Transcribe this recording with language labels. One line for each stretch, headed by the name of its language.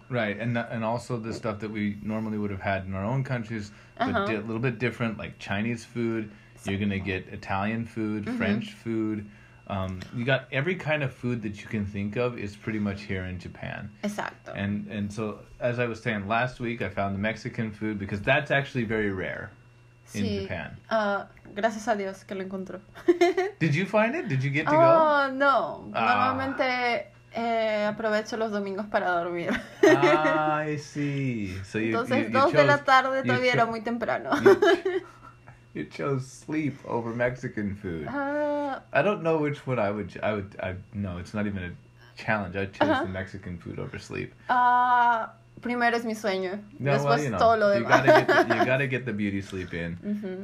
English: Right, and also the stuff that we normally would have had in our own countries, but a little bit different, like Chinese food, you're going to get Italian food, French food. You got every kind of food that you can think of is pretty much here in Japan.
Spanish: Exacto.
English: And so, as I was saying last week, I found the Mexican food because that's actually very rare in Japan.
Spanish: Gracias a Dios que lo encontró.
English: Did you find it? Did you get to go?
Spanish: Oh, no. Normalmente aprovecho los domingos para dormir.
English: Ah, I see. So
Spanish: Entonces, dos de la tarde todavía era muy temprano.
English: You chose sleep over Mexican food. I don't know which one I would. No, it's not even a challenge. I chose the Mexican food over sleep.
Spanish: Primero es mi sueño. No, después
English: well, you know,
Spanish: todo lo demás.
English: You gotta get the beauty sleep in. Mm-hmm.